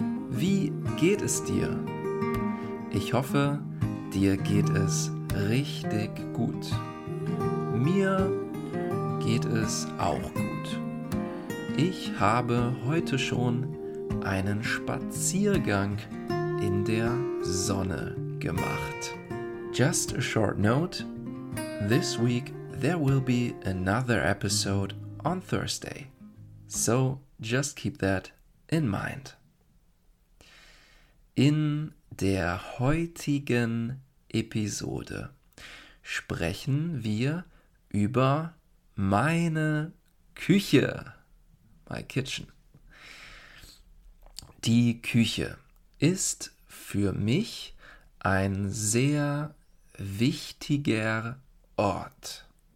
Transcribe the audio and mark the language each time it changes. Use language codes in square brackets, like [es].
[de] Wie geht es dir? Ich hoffe, dir geht es richtig gut. Mir geht es auch gut. Ich habe heute schon einen Spaziergang in der Sonne gemacht. [en] Just a short note, this week there will be another episode on Thursday. So just keep that in mind. [de] In der heutigen Episode sprechen wir über meine Küche. [en] My kitchen. [de] Die Küche ist für mich ein sehr wichtiger Ort.